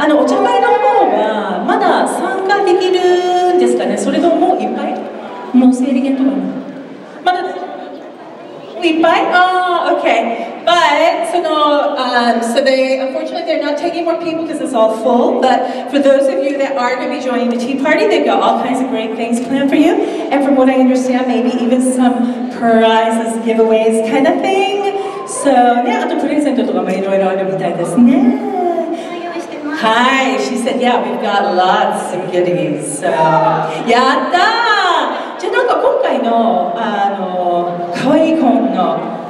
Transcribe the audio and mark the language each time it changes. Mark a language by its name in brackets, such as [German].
[Japanese] あの、お茶会の方はまだ参加できるんですかね? それとも、いっぱい?もう制限とかも。まだ、いっぱい? [English] Okay. But, unfortunately they're not taking more people because it's all full, but for those of you that are going to be joining the tea party, they've got all kinds of great things planned for you, and from what I understand, maybe even some prizes, giveaways kind of thing. [Japanese] So, あとプレゼントとかもいろいろあるみたいですね。 [English] Hi, she said, yeah, we've got lots of goodies, so... [Japanese] やった! じゃあなんか今回の かわいいコーンの